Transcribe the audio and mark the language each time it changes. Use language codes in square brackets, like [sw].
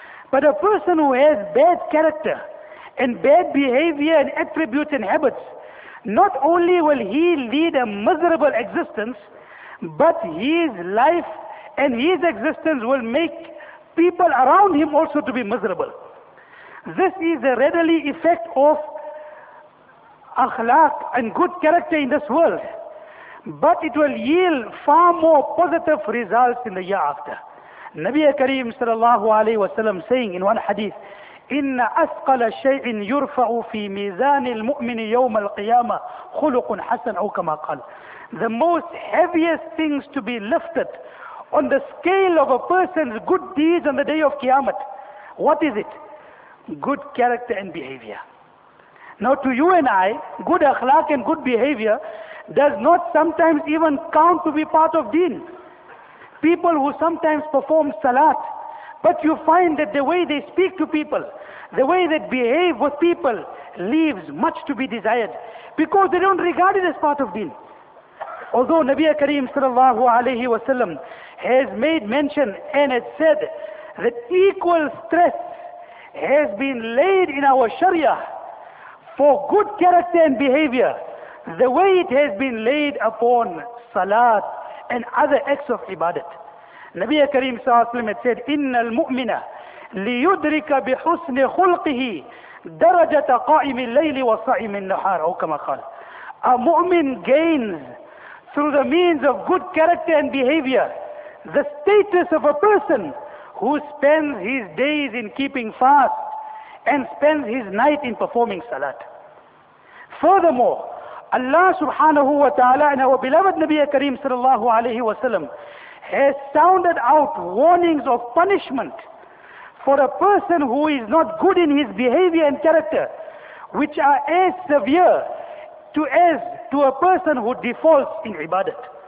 [en] But a person who has bad character and bad behavior and attributes and habits, not only will he lead a miserable existence, but his life and his existence will make people around him also to be miserable. This is a readily effect of akhlaq and good character in this world, but it will yield far more positive results in the year after. Nabi Kareem sallallahu alayhi wa sallam saying in one hadith, [ar] إِنَّ أَثْقَلَ شَيْءٍ يُرْفَعُ فِي مِيزَانِ الْمُؤْمِنِ يَوْمَ الْقِيَامَةِ خُلُقٌ حَسَنٌ أَوْ كَمَا قَالَ. [en] The most heaviest things to be lifted on the scale of a person's good deeds on the day of Qiyamah, what is it? Good character and behavior. Now to you and I, good akhlaq and good behavior does not sometimes even count to be part of deen. People who sometimes perform salat, but you find that the way they speak to people, the way they behave with people, leaves much to be desired, because they don't regard it as part of deen. Although Nabi Kareem sallallahu alayhi wa sallam has made mention and has said that equal stress has been laid in our Sharia for good character and behavior, the way it has been laid upon salat and other acts of ibadat. Nabi Kareem sallallahu alayhi wa sallam said, [ar] إِنَّ الْمُؤْمِنَ لِيُدْرِكَ بِحُسْنِ خُلْقِهِ دَرَجَةَ قَائِمِ اللَّيْلِ وَصَائِمِ النَّهَارِ أَوْ كَمَا قَالَ. [en] A mu'min gains through the means of good character and behavior the status of a person who spends his days in keeping fast and spends his night in performing salat. Furthermore, Allah subhanahu wa ta'ala and our beloved Nabi Kareem sallallahu alayhi wa sallam has sounded out warnings of punishment for a person who is not good in his behavior and character, which are as severe to a person who defaults in ibadat.